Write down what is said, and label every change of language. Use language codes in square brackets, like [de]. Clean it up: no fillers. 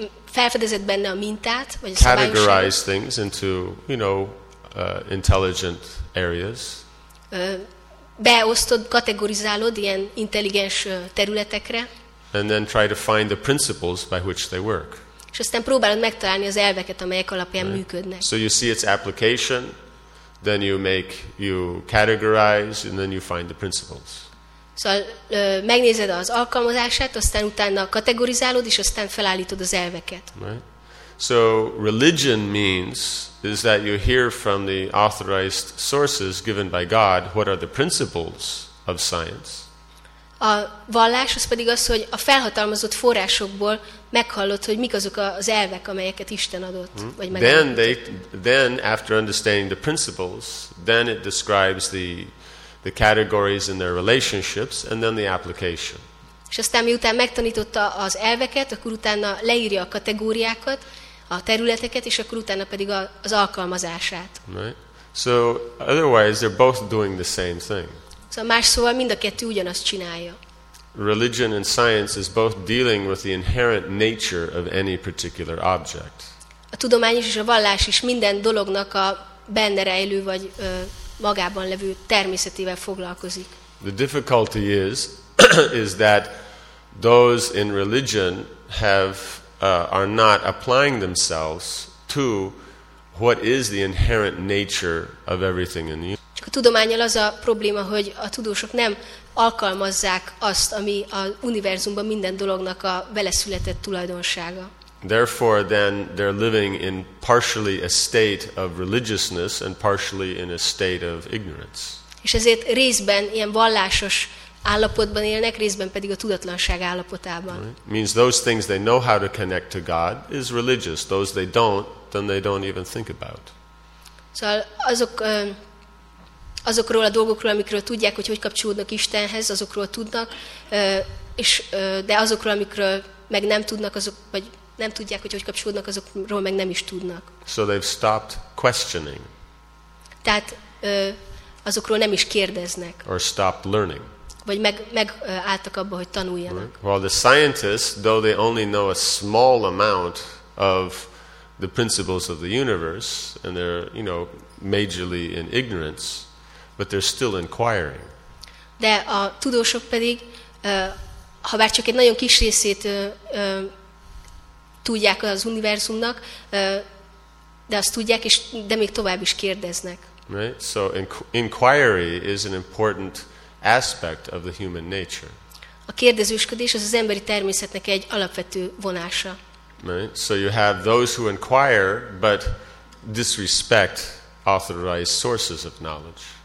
[hu] Felfedezed benne a mintát, vagy a szabályosságot. [en] Categorize things into, you know, intelligent areas. [hu] beosztod, kategorizálod ilyen intelligens területekre. [en] And then try to find the principles by which they work. [hu] És aztán próbálod megtalálni az elveket, amelyek alapján [en] right. [hu] működnek. [en] So you see its application, then you make, you categorize, and then you find the principles. [hu] Szóval megnézed az alkalmazását, aztán utána kategorizálod, és aztán felállítod az elveket. [en] Right. So religion means is that you hear from the authorized sources given by God what are the principles of science. [hu] A vallás az pedig az, hogy a felhatalmazott forrásokból meghallod, hogy mik azok az elvek, amelyeket Isten adott, vagy megadott. [en] Then after understanding the principles, then it describes the categories and their relationships and then the application. [hu] És aztán miután megtanította az elveket, akkor utána leírja a kategóriákat, a területeket, és akkor utána pedig az alkalmazását. [en] Right. So otherwise they're both doing the same thing. [hu] Szóval más szóval mind a kettő ugyanazt csinálja. [en] Religion and science is both dealing with the inherent nature of any particular object. [hu] A tudomány és a vallás is minden dolognak a benne rejlő vagy magában levő természetével foglalkozik. [en] The difficulty is that those in religion are not applying themselves to what is the inherent nature of everything in the universe. [hu] Csak a tudománnyal az a probléma, hogy a tudósok nem alkalmazzák azt, ami az univerzumban minden dolognak a beleszületett tulajdonsága. [en] Therefore then they're living in partially a state of religiousness and partially in a state of ignorance. [hu] És ezért részben ilyen vallásos állapotban élnek, részben pedig a tudatlanság állapotában. [en] Right. Means those things they know how to connect to God is religious. Those they don't, then they don't even think about. [hu] Szóval azokról a dolgokról, amikről tudják, hogy kapcsolódnak Istenhez, azokról tudnak, és de azokról, amikről meg nem tudnak, azok vagy nem tudják, hogy kapcsolódnak, azokról meg nem is tudnak. [en] So they've stopped questioning. [hu] Tehát azokról nem is kérdeznek. [en] Or stopped learning. [hu] Vagy megálltak abba, hogy tanuljanak. [en] Right. While the scientists, though they only know a small amount of the principles of the universe, and they're, you know, majorly in ignorance, but they're still inquiring. [hu] De a tudósok pedig, ha bár csak egy nagyon kis részét tudják az univerzumnak, de azt tudják, és de még tovább is kérdeznek. [en] Right. So inquiry is an important aspect of the human nature. [hu] A kérdezősködés az emberi természetnek egy alapvető vonása. [en] Right? So you have those who inquire but disrespect authorized sources of knowledge.